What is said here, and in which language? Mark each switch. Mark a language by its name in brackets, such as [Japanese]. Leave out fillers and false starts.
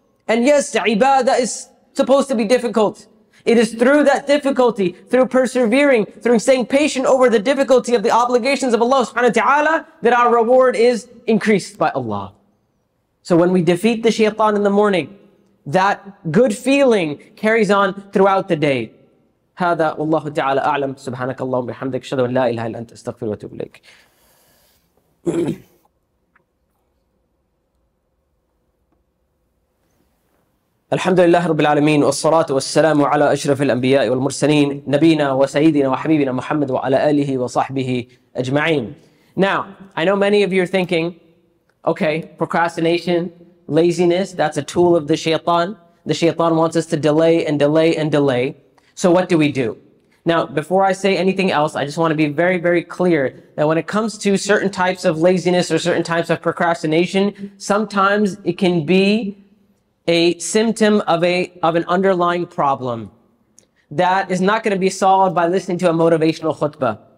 [English] And yes, ibadah is supposed to be difficult. It is through that difficulty, through persevering, through staying patient over the difficulty of the obligations of Allah subhanahu wa ta'ala, that our reward is increased by Allah. So when we defeat the shaitan in the morning, that good feeling carries on throughout the day. [Arabic] هذا والله تعالى أعلم سبحانك اللهم بحمدك أشهد أن لا إله إلا أنت أستغفرك وأتوب إليك. الحمد لله رب العالمين والصلاة والسلام على أشرف الأنبياء والمرسلين نبينا وسيدنا وحبيبنا محمد وعلى آله وصحبه أجمعين. [English] Now, I know many of you are thinking, okay, procrastination, laziness, that's a tool of the shaitan. The shaitan wants us to delay and delay and delay. So what do we do? Now, before I say anything else, I just want to be very, very clear that when it comes to certain types of laziness or certain types of procrastination, sometimes it can be a symptom of an underlying problem that is not going to be solved by listening to a motivational khutbah.